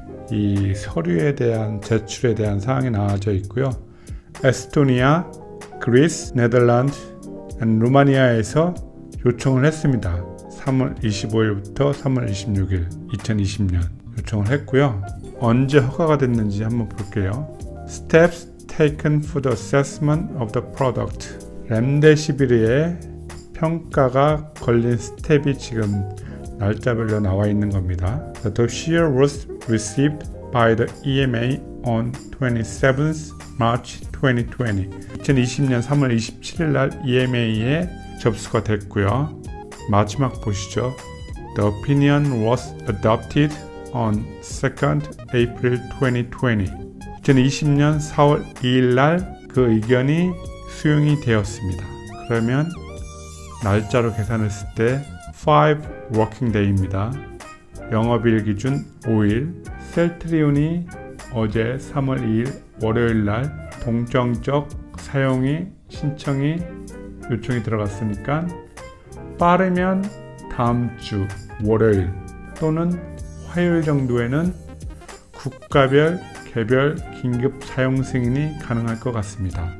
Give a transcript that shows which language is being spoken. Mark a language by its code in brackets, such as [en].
[ko] 이 서류에 대한 제출에 대한 사항이 나와져 있고요. 에스토니아, 그리스, 네덜란드, 루마니아에서 요청을 했습니다. 3월 25일부터 3월 26일 2020년 요청을 했고요. 언제 허가가 됐는지 한번 볼게요. [en] Steps taken for the assessment of the product. [ko] 렘데시비르의 평가가 걸린 스텝이 지금 날짜별로 나와 있는 겁니다. [en] The dossier was received by the EMA on 27th March 2020. [ko] 2020년 3월 27일 날 EMA에 접수가 됐고요. 마지막 보시죠. [en] The opinion was adopted on 2nd April 2020. [ko] 2020년 4월 2일 날 그 의견이 수용이 되었습니다. 그러면 날짜로 계산했을 때 5 working day 입니다. 영업일 기준 5일. 셀트리온이 어제 3월 2일 월요일 날 동정적 사용이 신청이 요청이 들어갔으니까 빠르면 다음 주 월요일 또는 화요일 정도에는 국가별 개별 긴급 사용 승인이 가능할 것 같습니다.